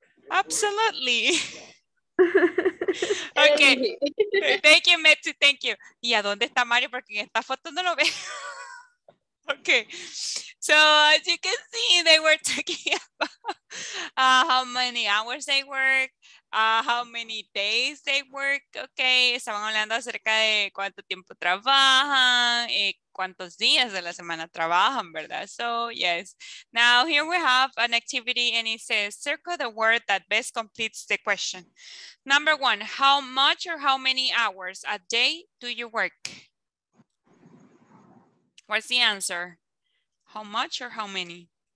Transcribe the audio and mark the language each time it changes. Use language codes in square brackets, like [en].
[en] Absolutely. Ok, thank you, Metsi, thank you. [es] ¿Y a dónde está Mario? Porque en esta foto no lo veo. [en] Ok, so as you can see, they were talking about how many hours they work, how many days they work. [es] Ok, estaban hablando acerca de cuánto tiempo trabajan y cuántos días de la semana trabajan, ¿verdad? [en] So, yes. Now, here we have an activity and it says, circle the word that best completes the question. Number one, how much or how many hours a day do you work? What's the answer? How much or how many?